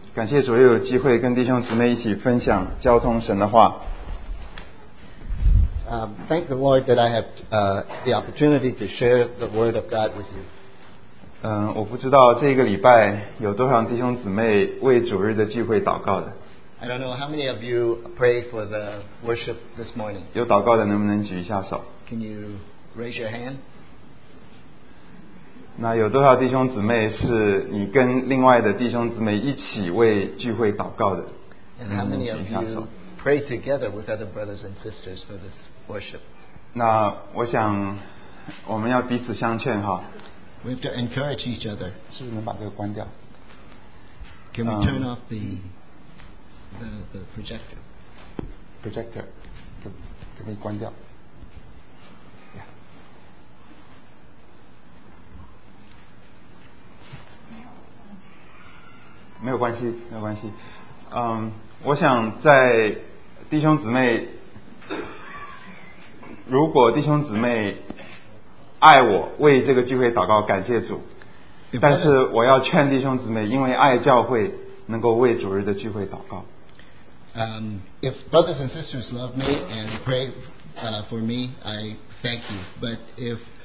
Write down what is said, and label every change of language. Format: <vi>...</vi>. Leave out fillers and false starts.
<zh>感谢主有机会跟弟兄姊妹一起分享交通神的话。</zh> <en>Thank the Lord that I have the opportunity to share the word of God with you.</en> <zh>我不知道这个礼拜有多少弟兄姊妹为主日的聚会祷告的。</zh> <en>I don't know how many of you pray for the worship this morning.</en> <zh>有祷告的能不能举一下手？</zh> <en>Can you raise your hand?</en> <zh>那有多少弟兄姊妹是你跟另外的弟兄姊妹一起为聚会祷告的？</zh> <en>And how many of you pray together with other brothers and sisters for this worship?</en> <zh>那我想我们要彼此相劝哈。</zh> <en>We have to encourage each other.</en> <zh>是不是能把这个关掉？</zh> <en>Can we turn off the projector</en> <zh>可不可以关掉、yeah. 没有关系没有关系、我想在弟兄姊妹如果弟兄姊妹爱我为这个聚会祷告感谢主但是我要劝弟兄姊妹因为爱教会能够为主日的聚会祷告</zh> <en>If brothers and sisters love me and pray for me, I thank you.</en>